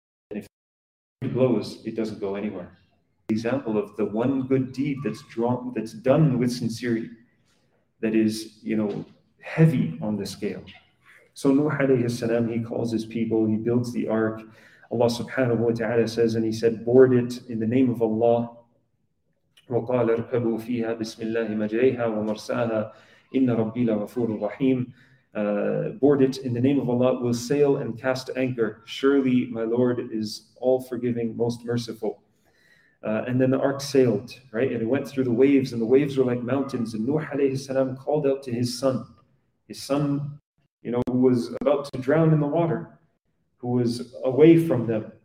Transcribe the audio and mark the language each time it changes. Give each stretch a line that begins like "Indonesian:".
English: And if it blows, it doesn't go anywhere. Example of the one good deed that's drawn, that's done with sincerity, that is, you know, heavy on the scale. So Nuh alayhi salam, he calls his people, he builds the ark. Allah subhanahu wa ta'ala says, and he said, board it in the name of Allah.
Arabic: وقال اركبوا فيها بسم الله مجريها ومرساها إن ربي لغفور رحيم.
English: Board it in the name of Allah, will sail and cast anchor. Surely my Lord is all forgiving, most merciful. And then the ark sailed, right? And it went through the waves, and the waves were like mountains. And Nuh alayhi salam called out to his son, you know, who was about to drown in the water, who was away from them.